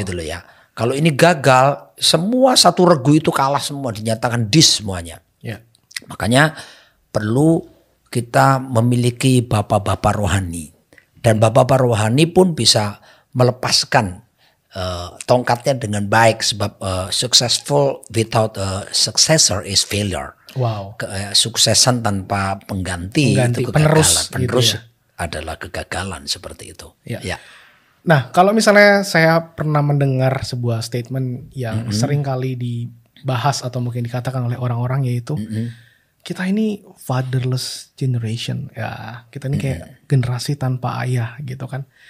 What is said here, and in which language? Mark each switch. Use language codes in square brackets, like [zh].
[id] Gitu loh ya. Kalau ini gagal, semua satu regu itu kalah semua, dinyatakan dis semuanya. Makanya perlu kita memiliki bapak-bapak rohani. Dan bapak-bapak rohani pun bisa melepaskan tongkatnya dengan baik. Sebab [en] successful without a successor is failure. Wow. [id] Suksesan tanpa pengganti, itu kegagalan. Penerus gitu ya, adalah kegagalan seperti itu. Nah, kalau misalnya saya pernah mendengar sebuah statement yang sering kali dibahas atau mungkin dikatakan oleh orang-orang, yaitu kita ini [en] fatherless generation, [id] ya kita ini kayak generasi tanpa ayah gitu kan.